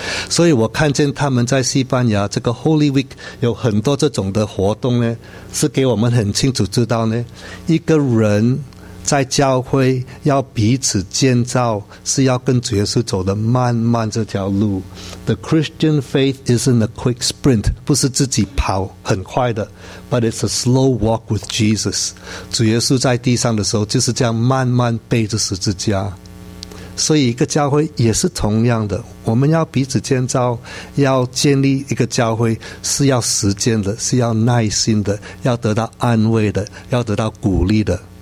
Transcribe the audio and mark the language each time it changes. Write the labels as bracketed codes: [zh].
[zh] 所以我看见他们在西班牙这个 Holy Week 有很多这种的活动呢，是给我们很清楚知道呢，一个人在教会要彼此建造，是要跟主耶稣走的慢慢这条路。 [en] The Christian faith isn't a quick sprint， [zh] 不是自己跑很快的， [en] But it's a slow walk with Jesus。 [zh] 主耶稣在地上的时候就是这样慢慢背着十字架，所以一个教会也是同样的，我们要彼此建造，要建立一个教会是要时间的，是要耐心的，要得到安慰的，要得到鼓励的。